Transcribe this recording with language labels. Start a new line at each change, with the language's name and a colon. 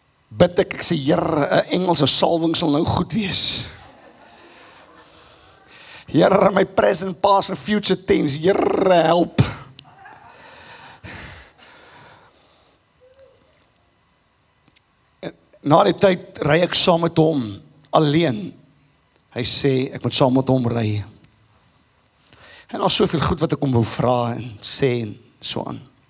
Afrikaans: Bid ek, ek sê, Here, een Engelse salving sal nou goed wees.
English: Here, my present, past and future tense, Here, help.
Afrikaans: Na die tyd, ry ek saam met hom, alleen. Hy sê, ek moet saam met hom ry. En al soveel goed wat ek om wil vraag en sê en so aan.